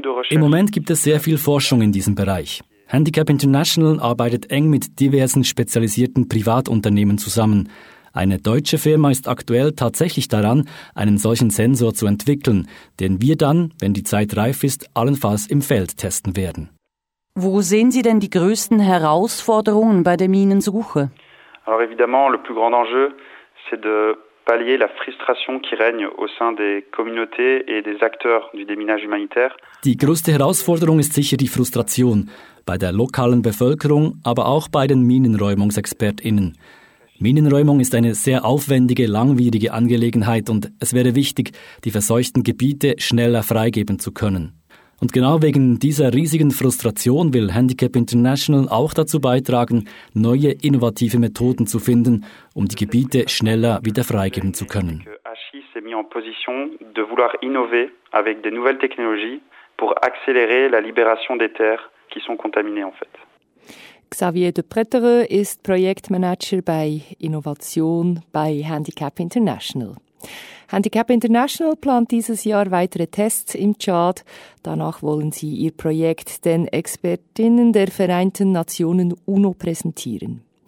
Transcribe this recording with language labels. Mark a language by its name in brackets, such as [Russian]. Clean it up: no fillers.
[German] Im Moment gibt es sehr viel Forschung in diesem Bereich. Handicap International arbeitet eng mit diversen spezialisierten Privatunternehmen zusammen. Eine deutsche Firma ist aktuell tatsächlich daran, einen solchen Sensor zu entwickeln, den wir dann, wenn die Zeit reif ist, allenfalls im Feld testen werden. Wo sehen Sie denn die größten Herausforderungen bei der Minensuche? [French] Alors évidemment, le plus grand enjeu, c'est de pallier la frustration qui règne au sein des communautés et des acteurs du déminage humanitaire. [German] Die größte Herausforderung ist sicher die Frustration bei der lokalen Bevölkerung, aber auch bei den MinenräumungsexpertInnen. Minenräumung ist eine sehr aufwendige, langwierige Angelegenheit und es wäre wichtig, die verseuchten Gebiete schneller freigeben zu können. Und genau wegen dieser riesigen Frustration will Handicap International auch dazu beitragen, neue innovative Methoden zu finden, um die Gebiete schneller wieder freigeben zu können. [French] HI s'est mis en position de vouloir innover avec des nouvelles technologies pour accélérer la libération des terres qui sont contaminées en fait. [German] Xavier de Prettere ist Projektmanager bei Innovation bei Handicap International. Handicap International plant dieses Jahr weitere Tests im Tschad. Danach wollen sie ihr Projekt den Expertinnen der Vereinten Nationen UNO präsentieren.